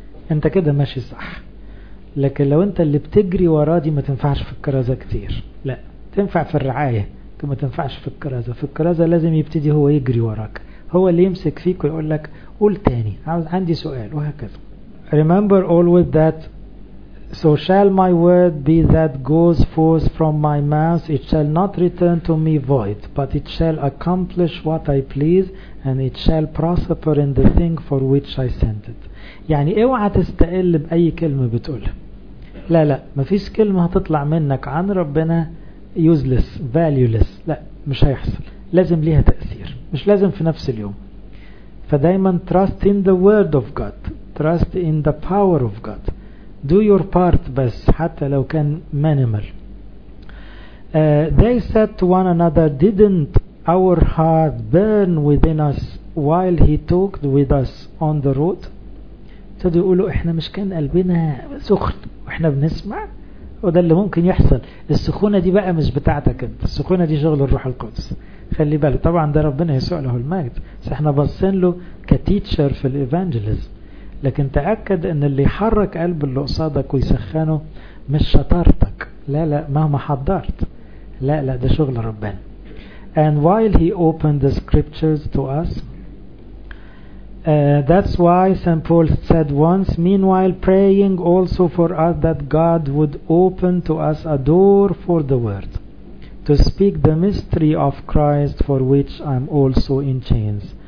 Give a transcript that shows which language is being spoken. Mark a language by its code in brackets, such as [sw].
[ar] انت كده ماشي صح, لكن لو انت اللي بتجري وراه دي ما تنفعش في الكرازة كتير. لا تنفع في الرعاية, ما تنفعش في الكرازة. في الكرازة لازم يبتدي هو يجري وراك, هو اللي يمسك فيك ويقول لك قول تاني عاوز عندي سؤال وهكذا. [en] Remember always that so shall my word be that goes forth from my mouth, it shall not return to me void, but it shall accomplish what I please and it shall prosper in the thing for which I sent it. [ar] يعني اوعى تستقل بأي كلمة بتقولها. لا لا, مفيش كلمة هتطلع منك عن ربنا [en] useless, valueless. [ar] لا مش هيحصل, لازم ليها تأثير, مش لازم في نفس اليوم. [en] فدايما trust in the word of God, trust in the power of God, do your part [ar] بس حتى لو كان [en] minimal. They said to one another, didn't our heart burn within us while he talked with us on the road. [ar] ابتدوا يقولوا احنا مش كان قلبنا سخن واحنا بنسمع, وده اللي ممكن يحصل. السخونة دي بقى مش بتاعتك انت، السخونة دي شغل الروح القدس، خلي بالك. طبعا ده ربنا يسوع له المجد، بس احنا بصين له كتيتشر في الإيفانجليزم. لكن تأكد ان اللي يحرك قلب اللي قصادك ويسخنه مش شطارتك، لا لا، مهما حضرت، لا لا، ده شغل ربنا. [en] And while he opened the scriptures to us, that's why St. Paul said once, meanwhile praying also for us that God would open to us a door for the word, to speak the mystery of Christ for which I'm also in chains.